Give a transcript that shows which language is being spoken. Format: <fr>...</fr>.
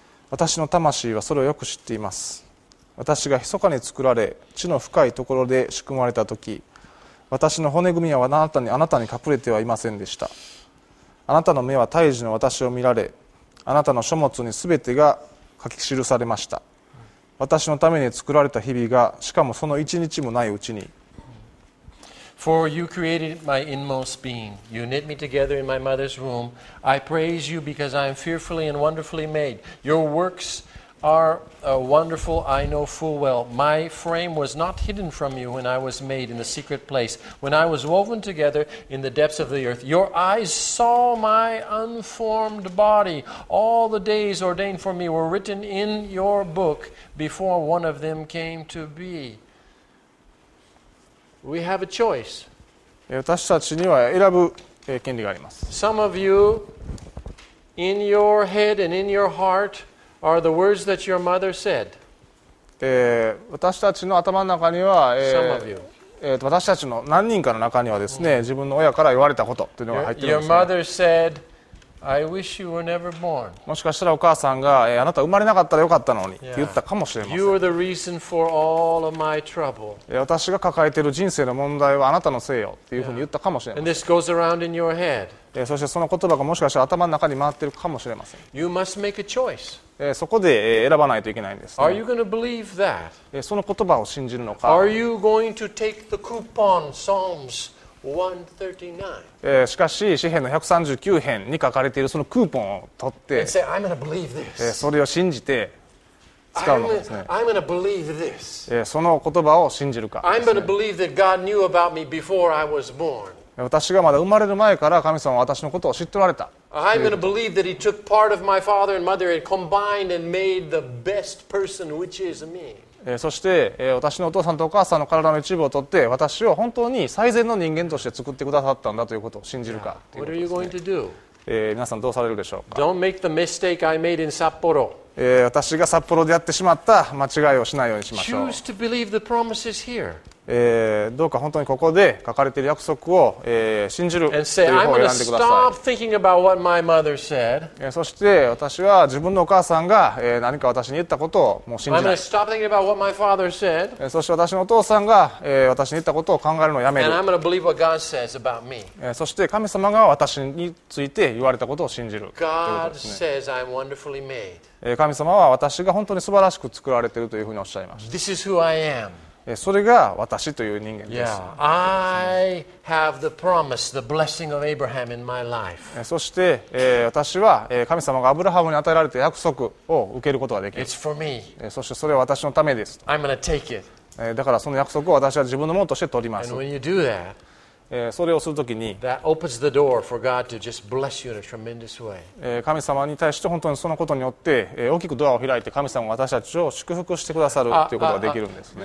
<ja>私の魂はそれをよく知っています。私が密かに作られ地の深いところで仕組まれたとき、私の骨組みはあなたに隠れてはいませんでした。あなたの目は胎児の私を見られ、あなたの書物にすべてが書き記されました。私のために作られた日々が、しかもその一日もないうちに。</ja> <en>For you created my inmost being. You knit me together in my mother's womb. I praise you because I am fearfully and wonderfully made. Your worksare wonderful, I know full well. My frame was not hidden from you when I was made in the secret place, when I was woven together in the depths of the earth. Your eyes saw my unformed body. All the days ordained for me were written in your book before one of them came to be. We have a choice.</en> <ja>私たちには選ぶ権利があります。</ja> <en>Some of you, in your head and in your heart,are the words that your mother said.</en> <ja>私たちの頭の中には、私たちの何人かの中にはですね、自分の親から言われたことというのが入っているんですね。</ja> <en>Your mother said, I wish you were never born.</en> <ja>もしかしたらお母さんが、あなた生まれなかったらよかったのにって言ったかもしれません。</ja> <en>You are the reason for all of my trouble.</en> <ja>私が抱えている人生の問題はあなたのせいよっていうふうに言ったかもしれません。</ja> <en>And this goes around in your head.</en> <ja>そしてその言葉がもしかしたら頭の中に回っているかもしれません。</ja> <en>You must make a choice.</en> <ja>そこで選ばないといけないんですね。</ja> <en>Are you going to believe that?</en> <ja>その言葉を信じるのか。</ja> <en>Are you going to take the coupon, Psalms 139?</en> <ja>しかし、詩編の139編に書かれているそのクーポンを取って、</ja> <en>And say, I'm going to believe this.</en> <ja>それを信じて使うのですね。</ja> <en>I'm going to believe this.</en> <ja>その言葉を信じるか、ね。</ja> <en>I'm going to believe that God knew about me before I was born.</en> <ja>私がまだ生まれる前から神様は私のことを知っておられた。</ja> <en>I'm going to believe that he took part of my father and mother and combined and made the best person, which is me.</en> <ja>そして私のお父さんとお母さんの体の一部を取って私を本当に最善の人間として作ってくださったんだということを信じるかということですね。</ja> <en>What are you going to do?</en> <ja>皆さんどうされるでしょうか。</ja> <en>Don't make the mistake I made in Sapporo.</en> <ja>私が札幌でやってしまった間違いをしないようにしましょう。</ja> <en>Choose to believe the promises here.</en> <ja>どうか本当にここで書かれている約束を、信じるという方を選んでください。</ja> <en>I'm going to stop thinking about what my mother said.</en> <ja>そして私は自分のお母さんが、何か私に言ったことをもう信じない。</ja> <en>I'm going to stop thinking about what my father said.</en> <ja>そして私のお父さんが、私に言ったことを考えるのをやめる。</ja> <en>And I'm going to believe what God says about me.</en> <ja>そして神様が私について言われたことを信じる。</ja> <en>God says I'm wonderfully made.</en> <ja>神様は私が本当に素晴らしく作られているというふうにおっしゃいました。</ja> <en>This is who I am.</en> <ja>それが私という人間です。</ja> <en>Yeah, I have the promise, the blessing of Abraham in my life.</en> <ja>そして、私は神様がアブラハムに与えられた約束を受けることができる。</ja> <en>It's for me.</en> <ja>そしてそれは私のためです。</ja> <en>I'm gonna take it.</en> <ja>だからその約束を私は自分のものとして取ります。</ja> <en>And when you do that,</en> <ja>それをするときに、</ja> <en>that opens the door for God to just bless you in a tremendous way.</en> <ja>神様に対して本当にそのことによって、大きくドアを開いて神様が私たちを祝福してくださるということができるんですね。</ja>